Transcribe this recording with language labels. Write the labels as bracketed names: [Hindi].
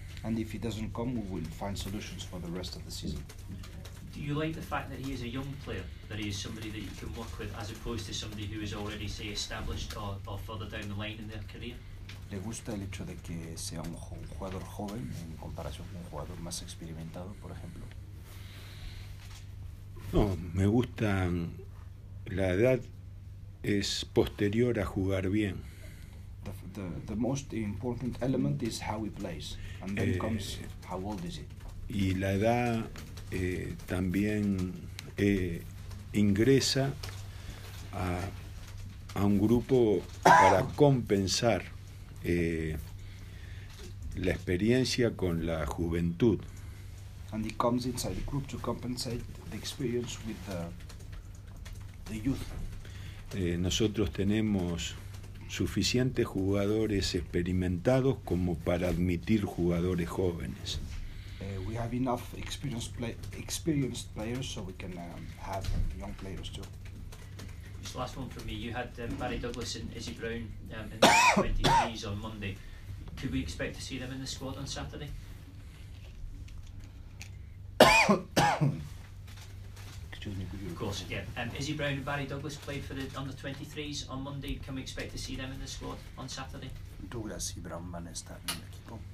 [English] And if he doesn't come, we will find solutions for the rest of the season. Do you like the fact that he is a young player, that he is somebody that you can work with, as opposed to somebody who is already, say, established or further down the line in their career? [Spanish] ¿Le gusta el hecho de que sea un jugador joven en comparación con un jugador más experimentado, por ejemplo? No, me gusta. La edad es posterior a jugar bien. [English] The most important element is how he plays, and then comes how old is he. [Spanish] Y la edad también ingresa a un grupo para compensar la experiencia con la juventud. [English] And he comes inside the group to compensate the experience with the youth. [Spanish] Nosotros tenemos suficientes jugadores experimentados como para admitir jugadores jóvenes. [English] We have enough experienced players, so we can have young players too. Last one from me. You had Barry Douglas and Izzy Brown in the 23s on Monday. Could we expect to see them in the squad on Saturday? Excuse me. Of course. Yeah. Izzy Brown and Barry Douglas played for the under 23s on Monday. Can we expect to see them in the squad on Saturday? [Spanish] Douglas y Brown van a estar en el equipo.